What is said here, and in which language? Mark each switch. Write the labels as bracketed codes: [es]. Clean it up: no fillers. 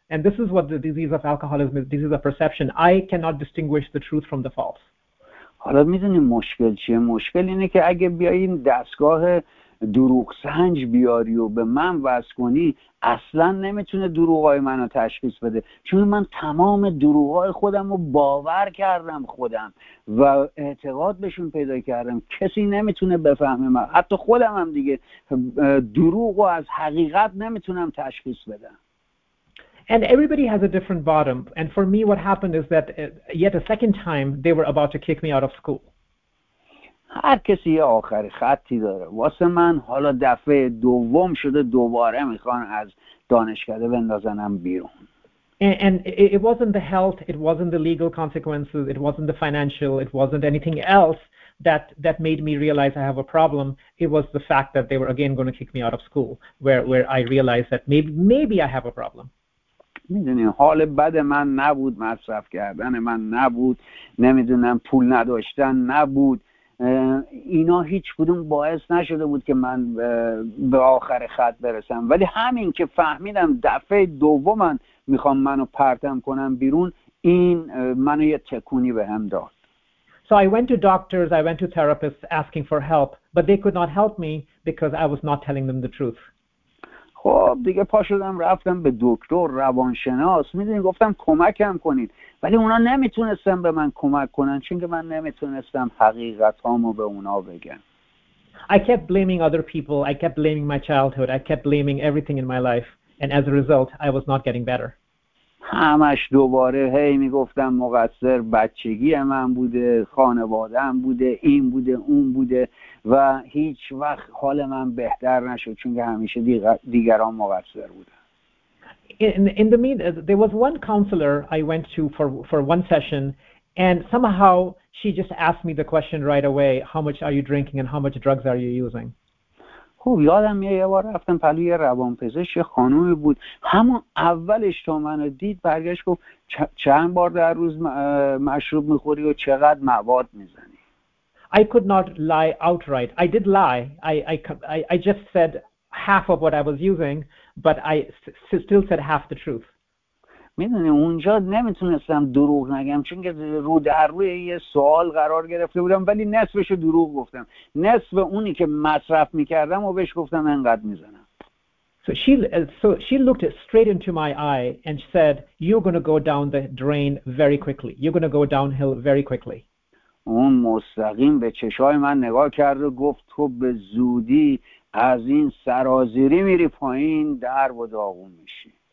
[en] And this is what the disease of alcoholism is, disease of perception. I cannot distinguish the truth from the false. [fa] حالا میدونی مشکل چیه؟ مشکل اینه که اگه بیای این دستگاه دروغ سنج بیاری و به من وصل کنی اصلا نمیتونه دروغای منو تشخیص بده، چون من تمام دروغای خودم رو باور کردم خودم و اعتقاد بهشون پیدا کردم. کسی نمیتونه بفهمه من، حتی خودم هم دیگه دروغ رو از حقیقت نمیتونم تشخیص بدم. [en] And everybody has a different bottom. And for me, what happened is that yet a second time, they were about to kick me out of school. [fa] هر کسی یه آخری خطی داره. واسه من حالا دفعه دوم شده دوباره میخوان از دانشکده بندازنم بیرون. [en] And it wasn't the health, it wasn't the legal consequences, it wasn't the financial, it wasn't anything else that made me realize I have a problem. It was the fact that they were again going to kick me out of school, where I realized that maybe I have a problem. [fa] میدونی حال بد من نبود، مصرف کردن من نبود، نمیدونم پول نداشتن نبود، اینا هیچ کدوم باعث نشده بود که من به آخر خط برسم. ولی همین که فهمیدم دفعه دوم میخوام منو پرتم کنم بیرون، این منو یه تکونی به هم داد. [en] So I went to doctors, I went to therapists asking for help, but they could not help me because I was not telling them the truth. [fa] خب دیگه پاشدم رفتم به دکتر روانشناس، میدونی گفتم کمکم کنید، ولی اونا نمیتونستن به من کمک کنن چون که من نمیتونستم حقیقت هامو به اونا بگم. [en] I kept blaming other people, I kept blaming my childhood, I kept blaming everything in my life, and as a result I was not getting better. [fa] همش دوباره میگفتم مقصر بچگی من بوده، خانواده هم بوده، این بوده، اون بوده، و هیچ وقت حال من بهتر نشد چون که همیشه دیگران مقصر بوده. [en] In the meantime, there was one counselor I went to for one session, and somehow she just asked me the question right away, how much are you drinking and how much drugs are you using? [fa] خب یادم میاد یه بار رفتم پلوی یه روانپزشک خانم بود، همون اولش تو منو دید برگشت گفت چند بار در روز مشروب میخوری و چقدر مواد میزنی. [en] I could not lie outright. I did lie. I just said half of what I was using, but I still said half the truth. [fa] میدونی اونجا نمیتونستم دروغ نگم چون که رو در روی یه سوال قرار گرفته بودم، ولی نصفشو دروغ گفتم، نصف اونی که مصرف میکردم و بهش گفتم انقدر میزنم. [en] So she looked straight into my eye and said, you're going to go down the drain very quickly, you're going to go downhill very quickly. [fa] اون مستقیم به چشای من نگاه کرد و گفت تو به زودی از این سرازیری میری پایین، در و داغون میشی.